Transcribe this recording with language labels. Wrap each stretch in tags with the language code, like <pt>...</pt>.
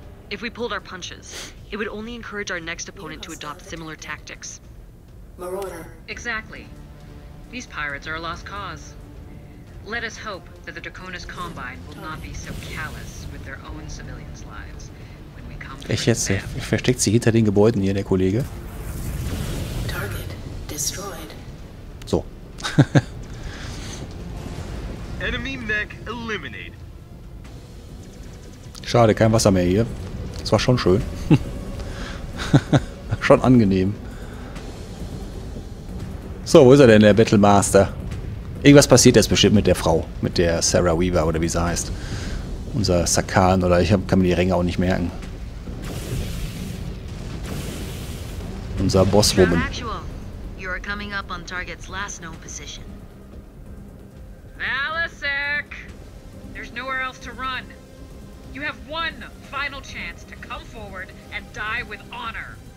<en>If we pulled our punches, it would only encourage our next opponent to adopt similar tactics. Marauder. Exactly. These pirates are a lost cause. Let us hope that the Draconis Combine will not be so callous with their own civilians' lives.</en> <de>Echt jetzt? Versteckt sie hinter den Gebäuden hier, der Kollege?</de> <en>Target destroyed.</en> <de>So.</de> <en>Enemy mech eliminated.</en> <de>Schade, kein Wasser mehr hier. Das war schon schön. Schon angenehm. So, wo ist er denn, der Battle Master? Irgendwas passiert jetzt bestimmt mit der Frau. Mit der Sarah Weaver oder wie sie heißt. Unser Sakan oder ich kann mir die Ränge auch nicht merken. Unser Bosswoman.</de> <en>You are coming up on Target's last known position. Valisek! There's nowhere else to run. You have one final chance to come forward and die with honor.</en>